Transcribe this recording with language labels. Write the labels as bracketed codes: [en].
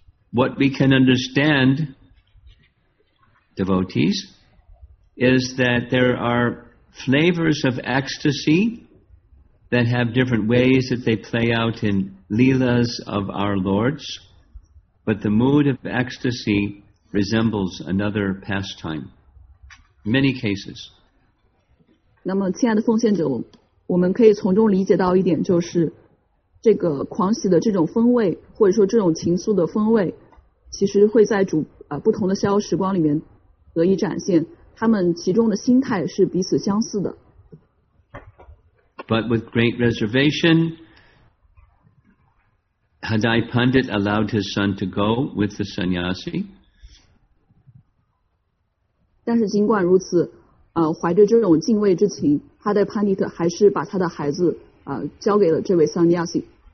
[en] What we can understand, devotees, is that there are flavors of ecstasy that have different ways that they play out in Leelas of our Lords, but the mood of ecstasy resembles another pastime. Many cases. [zh] 那么亲爱的奉献者，我们可以从中理解到一点，就是这个狂喜的这种风味，或者说这种情愫的风味，其实会在主不同的逍遥时光里面得以展现，他们其中的心态是彼此相似的。 [en] But with great reservation, Hadai Pandit allowed his son to go with the sannyasi. [zh] 但是尽管如此怀着这种敬畏之情， Hadai Pandit 还是把他的孩子交给了这位 sannyasi.